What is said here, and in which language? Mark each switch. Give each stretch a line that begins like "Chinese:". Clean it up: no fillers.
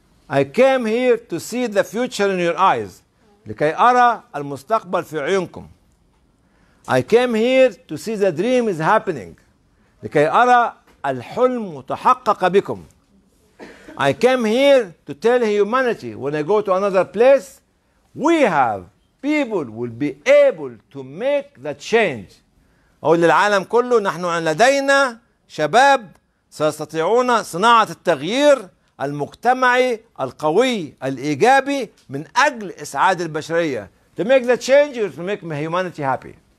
English: I came here to see the future in your eyes.
Arabic: لكي أرى المستقبل في عيونكم.
English: I came here to see the dream is happening.
Arabic: لكي أرى الحلم متحقق بكم.
English: I came here to tell humanity when I go to another place, we have people will be able to make that change.
Arabic: أقول للعالم كله نحن لدينا شباب سيستطيعون صناعة التغيير المجتمعي القوي الإيجابي من أجل إسعاد البشرية.
English: To make the change or to make my humanity happy.